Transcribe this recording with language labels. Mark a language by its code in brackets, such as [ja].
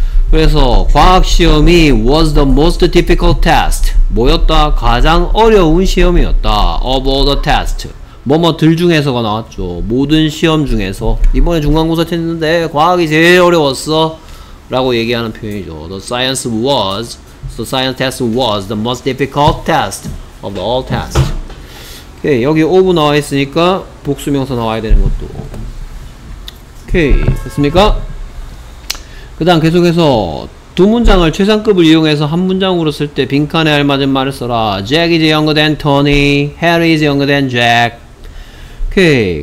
[ko] 그래서 과학시험이 [en] was the most difficult test [ko] 뭐였다? 가장 어려운 시험이었다 [en] of all the tests [ko] 뭐뭐들 중에서가 나왔죠. 모든 시험 중에서 이번에 중간고사 쳤는데 과학이 제일 어려웠어 라고 얘기하는 표현이죠. [en] The science was the scientist was the most difficult test of all tests. [ko] 오케이, 여기 오브 나와 있으니까 복수명사 나와야 되는 것도 오케이 됐습니까? 그 다음 계속해서 두 문장을 최상급을 이용해서 한 문장으로 쓸 때 빈칸에 알맞은 말을 써라. [en] Jack is younger than Tony. Harry is younger than Jack. [ko] 오케이.